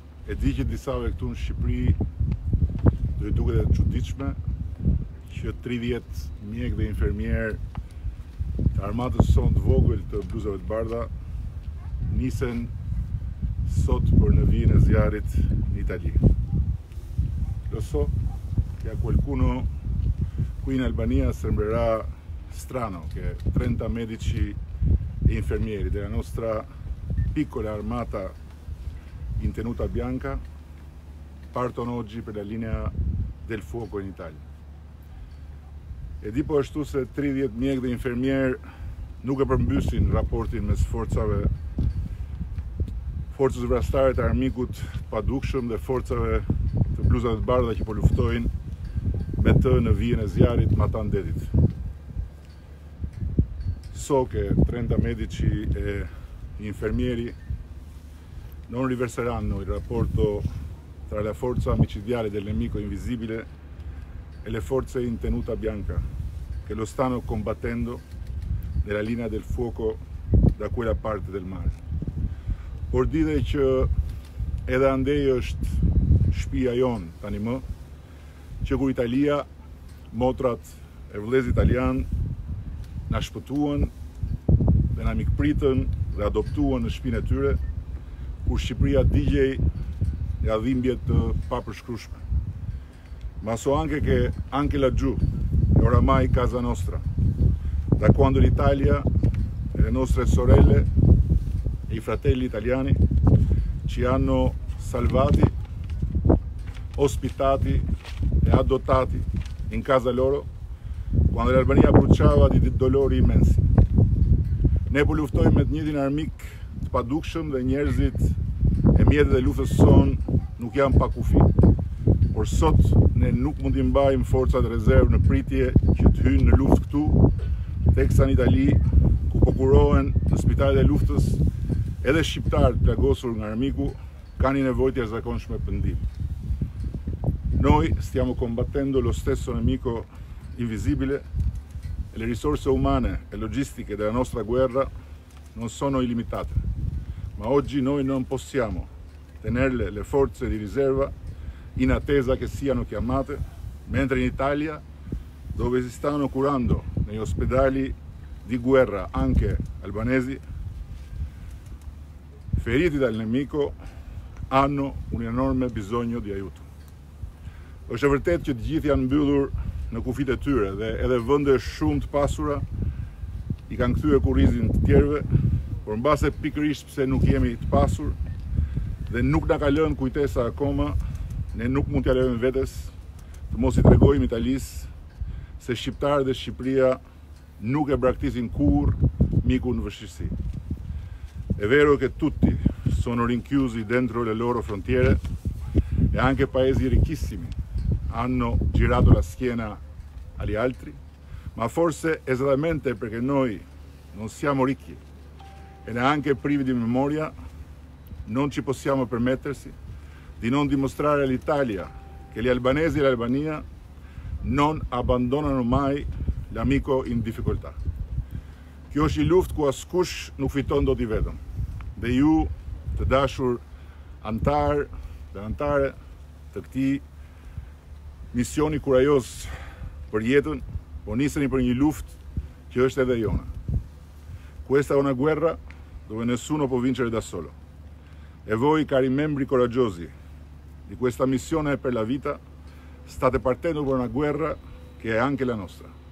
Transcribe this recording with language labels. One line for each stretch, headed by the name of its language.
Albanian: E di që disave këtu në Shqipëri do i duket e çuditshme që 30 mjek dhe infermier të armatës sonë të vogël të bluzave të bardha nisen sot për në vijën e zjarrit në Itali.
Italian: Lo so che a qualcuno qui in Albania sembrerà strano che 30 medici e infermieri della nostra piccola armata in tenuta bianca partono oggi per la linea del fuoco in Italia.
Albanian: E di po' ashtu se 30 mjek dhe infermier nuk e përmbysin raportin me sforcave forcës vrastare të armikut të padukshëm dhe forcave të bluzave të bardha që po luftojnë me të në vijën e zjarrit matan detit.
Italian: Soke 30 medici e infermieri non riverseranno il rapporto tra la forza micidiale del nemico invisibile e le forze in tenuta bianca che lo stanno combattendo nella linea del fuoco da quella parte del mare.
Albanian: Por dite që edhe andej është shpia jonë tani më, që ku Italia, motrat e vlezë italian, na shpëtuan dhe na mikpritën dhe adoptuan në shpinë e tyre, kur Shqipëria digjej nga dhimbjet të papërshkrueshme.
Italian: Maso anche che anche laggiù, e oramai casa nostra, da quando l'Italia e le nostre sorelle i fratelli italiani ci hanno salvati, ospitati e adottati in casa loro quando l'Albania bruciava di dolori immensi.
Albanian: Ne po luftojmë me të njëjtin armik të padukshëm dhe njerëzit e mjetet e luftës sonë nuk janë pa kufi. Por sot ne nuk mundi mbajmë forcat rezervë në pritje që të hynë në luftë këtu, teksa në Itali, ku po kurohen në spitalet e luftës edhe shqiptarët plagosur nga armiku kanë nevojë të jashtëzakonshme për ndihmë.
Italian: Noi stiamo combattendo lo stesso nemico invisibile e le risorse umane e logistiche della nostra guerra non sono illimitate. Ma oggi noi non possiamo tenerle le forze di riserva in attesa che siano chiamate, mentre in Italia, dove si stanno curando negli ospedali di guerra anche albanesi, feriti dal nemico hanno un enorme bisogno di aiuto.
Albanian: Është vërtet që të gjithë janë mbyllur në kufit e tyre dhe edhe vende shumë të pasura i kanë kthyer kurrizin të tjerëve, por mbase pikërisht pse nuk jemi të pasur dhe nuk na ka lënë kujtesa akoma, ne nuk mund t'ia lejojmë vetes të mos i tregojmë Italisë se shqiptarët dhe Shqipëria nuk e braktisin kurr mikun në vështirësi.
Italian: È vero che tutti sono rinchiusi dentro le loro frontiere e anche paesi ricchissimi hanno girato la schiena agli altri, ma forse esattamente perché noi non siamo ricchi e neanche privi di memoria, non ci possiamo permettersi di non dimostrare all'Italia che gli albanesi e l'Albania non abbandonano mai l'amico in difficoltà.
Albanian: Kjo është i luft ku askush nuk fiton dot i vetëm. Dhe ju, të dashur antar dhe antare të këti misioni kurajos për jetën, po niseni për një luft që është edhe jona.
Italian: Questa è una guerra dove nessuno può vincere da solo. E voi, cari membri coraggiosi di questa missione per la vita, state partendo per una guerra che è anche la nostra.